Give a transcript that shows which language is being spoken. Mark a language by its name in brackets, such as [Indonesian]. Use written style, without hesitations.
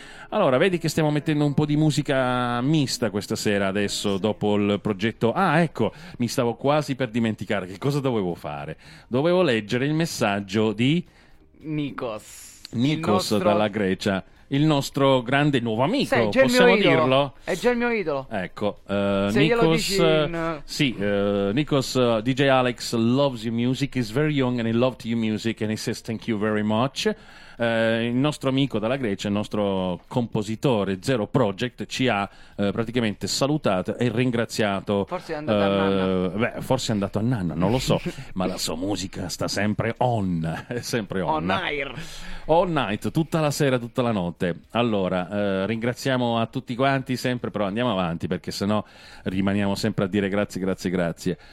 [Italian] Allora, vedi che stiamo mettendo un po' di musica mista questa sera adesso, dopo il progetto... Ah, ecco, mi stavo quasi per dimenticare. Che cosa dovevo fare? Dovevo leggere il messaggio di... Nikos. Nikos, nostro... dalla Grecia. Il nostro grande nuovo amico, sì, possiamo dirlo? È già il mio idolo. Ecco, Nikos, [English] sì, Nikos, DJ Alex loves your music, is very young and he loved your music and he says thank you very much. [Italian] Il nostro amico dalla Grecia, il nostro compositore Zero Project, ci ha praticamente salutato e ringraziato. Forse è andato a nanna. Beh, forse è andato a nanna, non lo so. Ma la sua musica sta sempre on. È sempre on. [English] On air. [Italian] All night, tutta la sera, tutta la notte. Allora, ringraziamo a tutti quanti sempre, però andiamo avanti perché sennò rimaniamo sempre a dire grazie, grazie, grazie.